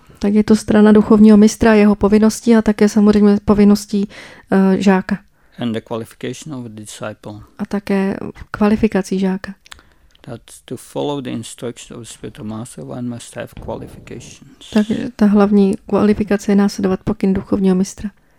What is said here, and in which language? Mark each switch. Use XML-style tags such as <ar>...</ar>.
<cs>Tak je to strana duchovního mistra, jeho povinností a také samozřejmě povinností žáka.</cs> <en>And the qualification of the disciple.</en> <cs>A také kvalifikací žáka.</cs> <en>That to follow the instructions of the spiritual master, one must have qualifications.</en> <cs>Takže ta hlavní kvalifikace je následovat pokyn duchovního mistra.</cs>